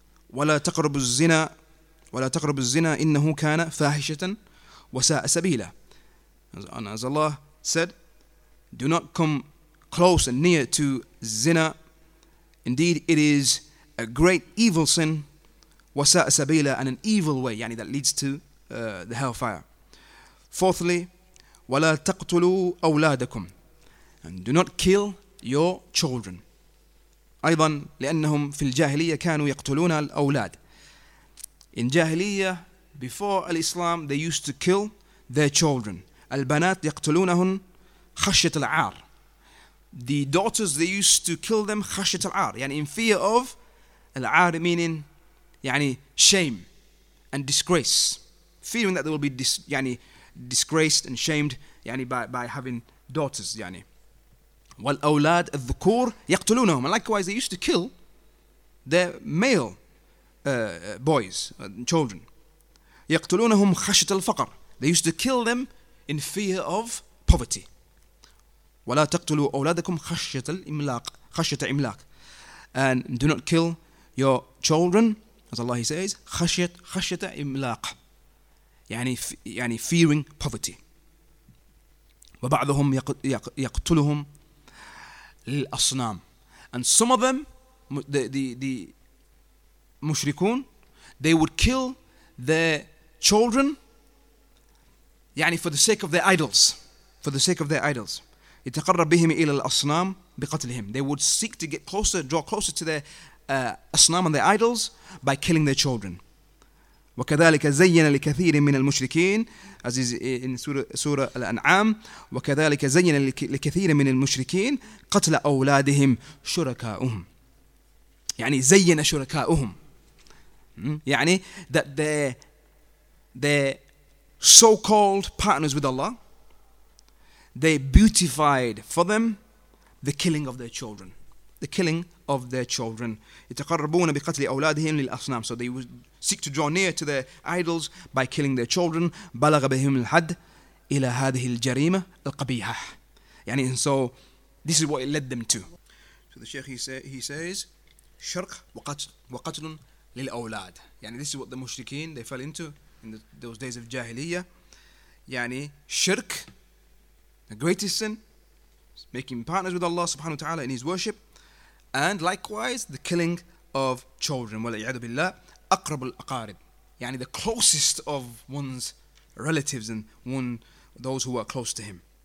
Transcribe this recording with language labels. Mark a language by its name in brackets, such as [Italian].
[Arabic] ولا تقرب الزنا ولا تقرب الزنا إنه كان فاحشة وساء سبيلا. [English] As Allah said, do not come close and near to zina. Indeed, it is a great evil sin, [Arabic] وساء سبيلا, [English] and an evil way, [Arabic] يعني [English] that leads to the hellfire. Fourthly, [Arabic] ولا تقتلوا أولادكم, [English] and do not kill your children. [Arabic] أيضا لأنهم في الجاهلية كانوا يقتلون الأولاد. [English] In Jahiliyyah, before al-Islam, they used to kill their children. [Arabic] Al-banat yaqtulunahun khashyat al-aar. [English] The daughters, they used to kill them [Arabic] khashyat al-aar. Yani [English] in fear of [Arabic] al-aar, [English] meaning [Arabic] yani [English] shame and disgrace. Fearing that they will be disgraced and shamed [Arabic] yani [English] by having daughters. [Arabic] Yani. Wal-awlad al-dhukur yaqtulunahum. [English] And likewise, they used to kill their male boys, children. [Arabic] يقتلونهم خشية الفقر. [English] They used to kill them in fear of poverty. [Arabic] ولا تقتلوا أولادكم خشية الإملاق. خشية إملاق. [English] And do not kill your children, as Allah says, [Arabic] خشية إملاق. يعني [English] fearing poverty. [Arabic] وبعضهم يقتلهم للأصنام. [English] And some of them, the Mushrikun, they would kill their children [Arabic] يعني [English] for the sake of their idols. For the sake of their idols. [Arabic] يتقرب بهم إلى الأصنام بقتلهم. [English] They would seek to get closer, draw closer to their أصنام and their idols by killing their children. [Arabic] وكذلك زين لكثير من المشركين, [English] as is in Surah Al-An'am, [Arabic] وكذلك زين لكثير من المشركين قتل أولادهم شركاؤهم. يعني زين شركاؤهم. يعني [English] that their so-called partners with Allah, they beautified for them the killing of their children. The killing of their children. [Arabic] يتقربون بقتل أولادهم للأصنام. [English] So they would seek to draw near to their idols by killing their children. [Arabic] بلغ بهم الحد إلى هذه الجريمة القبيحة. يعني [English] and so this is what it led them to. So the Shaykh he says [Arabic] شرق وقتل للأولاد. يعني [English] this is what the mushrikeen, they fell into in those days of Jahiliyyah. [Arabic] يعني [English] shirk, the greatest sin, making partners with Allah subhanahu wa ta'ala in his worship, and likewise the killing of children. [Arabic] وَلَيْعَدُ بِاللَّهِ أَقْرَبُ الْأَقَارِبِ, يعني [English] the closest of one's relatives and one those who are close to him.